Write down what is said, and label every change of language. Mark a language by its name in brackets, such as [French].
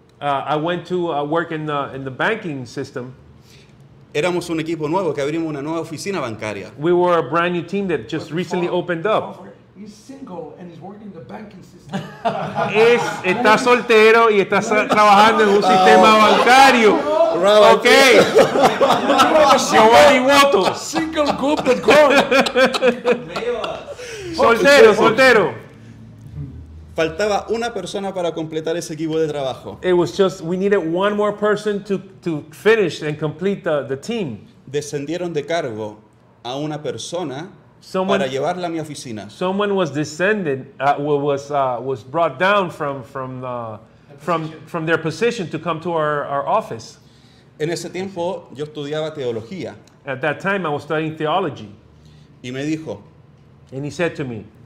[English] I went to work in the banking system. [Spanish] Éramos un equipo nuevo que abrimos una nueva oficina bancaria. [English] We were a brand new team that just recently opened up. He's single and he's working in the banking system. [Spanish] está soltero y está trabajando en un sistema bancario. [English] Bravo. Okay. Giovanni Woto. Single group that grows. [Spanish] Soltero, soltero. Faltaba una persona para completar ese equipo de trabajo. [English] It was just, we needed one more person to finish and complete the team. [Spanish] Descendieron de cargo a una persona para llevarla a mi oficina. [English] Someone was descended, was brought down from their position to come to our office. [Spanish] En ese tiempo, yo estudiaba teología. [English] At that time, I was studying theology. [Spanish] Y me dijo, [English] and he said to me,